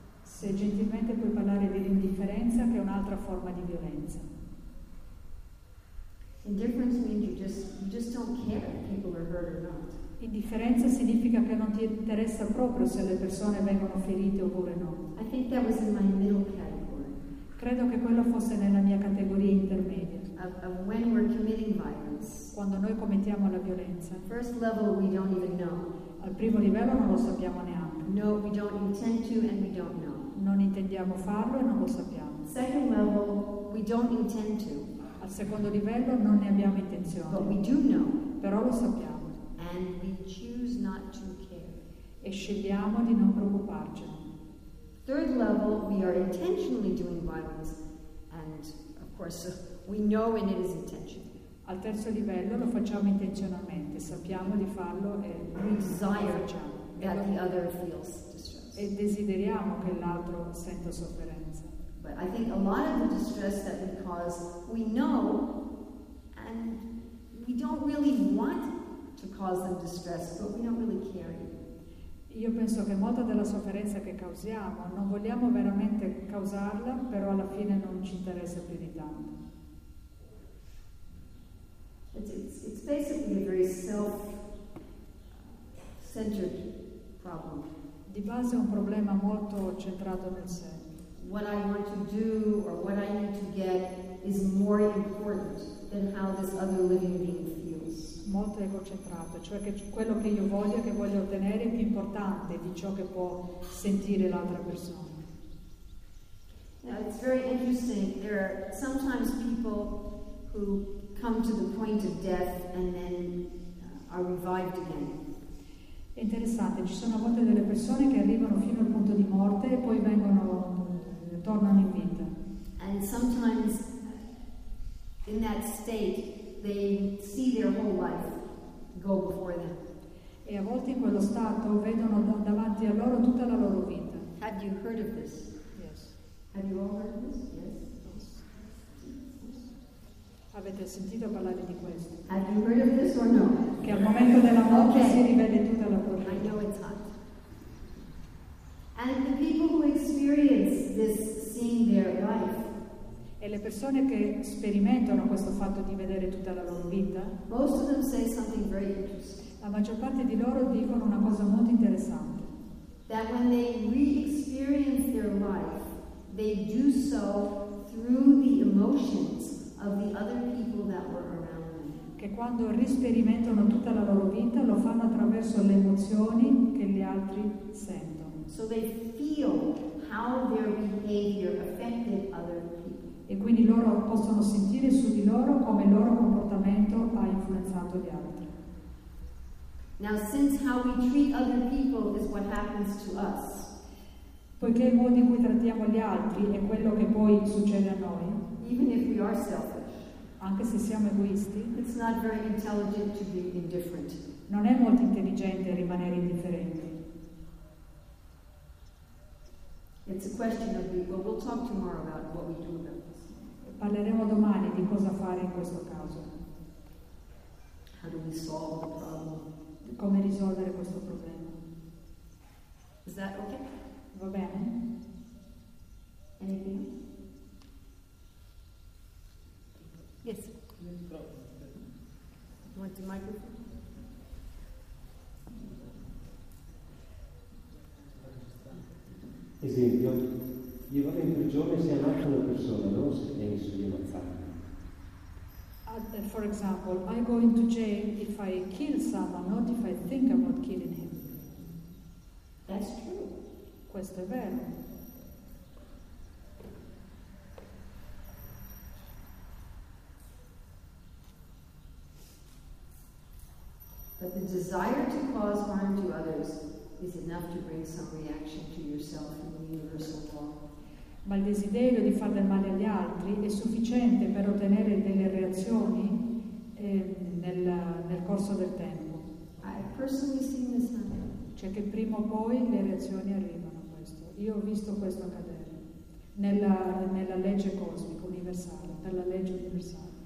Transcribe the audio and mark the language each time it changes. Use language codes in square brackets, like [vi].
[it] Se gentilmente puoi parlare dell'indifferenza, che è un'altra forma di violenza. [en] Indifference means you just don't care if people are hurt or not. [it] Indifferenza significa che non ti interessa proprio se le persone vengono ferite oppure no. [en] I think that was in my middle category. [it] Credo che quello fosse nella mia categoria intermedia. [en] Of when we're committing violence. [it] Quando noi commettiamo la violenza. [en] First level we don't even know. [it] Al primo livello non lo sappiamo neanche. [en] No, we don't intend to and we don't know. [it] Non intendiamo farlo e non lo sappiamo. [en] Second level we don't intend to. [it] Al secondo livello non ne abbiamo intenzione. [en] But we do know. [it] Però lo sappiamo. [en] And we choose not to care. [it] E scegliamo di non preoccuparci. [en] Third level, we are intentionally doing violence. And of course, we know when it is intentional. [it] Al terzo livello lo facciamo intenzionalmente. Sappiamo di farlo e [en] we desire that the other feels distress. [it] E desideriamo che l'altro senta sofferenza. [en] But I think a lot of the distress that we cause, we know, and we don't really want to cause them distress, but we don't really care. [it] Io penso che molta della sofferenza che causiamo, non vogliamo veramente causarla, però alla fine non ci interessa più di tanto. [en] It's basically a very self-centered problem. [it] Di base è un problema molto centrato nel sé. [en] What I want to do or what I need to get is more important than how this other living being feels. [it] Molto egocentrato, cioè che quello che io voglio, che voglio ottenere, è più importante di ciò che può sentire l'altra persona. [en] Now it's very interesting. There are sometimes people who come to the point of death and then are revived again. [it] È interessante. Ci sono a volte delle persone che arrivano fino al punto di morte e poi vengono tornano in vita. [en] And sometimes in that state they see their whole life go before them. [it] E a volte in quello stato vedono davanti a loro tutta la loro vita. [en] Have you heard of this? Yes. Have you all heard of this? Yes. [it] Avete sentito parlare di questo? [en] Have you heard of this or no? [it] Che al momento della morte okay. si rivede tutta la [en] porta. I know it's hot. And the people who experience this seeing their life. [it] E le persone che sperimentano questo fatto di vedere tutta la loro vita. [en] Most of them say something very interesting. [it] La maggior parte di loro dicono una cosa molto interessante. [en] That when they re-experience their life, they do so through the emotions of the other people that were around them. [it] Che quando risperimentano tutta la loro vita, lo fanno attraverso le emozioni che gli altri sentono. [en] So they feel how their behavior affected other people. [it] E quindi loro possono sentire su di loro come il loro comportamento ha influenzato gli altri. [en] Now, since how we treat other people is what happens to us. [it] Poiché il modo in cui trattiamo gli altri è quello che poi succede a noi. [en] Even if we are selfish, [it] anche se siamo egoisti, [en] it's not very intelligent to be indifferent. [it] Non è molto intelligente rimanere indifferenti. [en] It's a question of well, we'll talk tomorrow about what we do about this. [it] Parleremo domani di cosa fare in questo caso. [en] How do we solve the problem? [it] Come risolvere questo problema. [en] Is that okay? [it] Va bene. [en] Anything else? Yes. Want the microphone? [it] Esempio, io vado in prigione se ammazzo una persona, no? Se penso di ammazzarla. [en] For example, I go into jail if I kill someone, not if I think about killing him. That's true. [it] Questo è vero. [en] But the desire to cause harm to others is enough to bring some reaction to yourself in the universal law. [it] Ma il desiderio di far del male agli altri è sufficiente per ottenere delle reazioni nel corso del tempo. [en] I personally seen this happen. [it] Cioè che prima o poi le reazioni arrivano a questo. Io ho visto questo accadere nella legge cosmica universale, per la legge universale.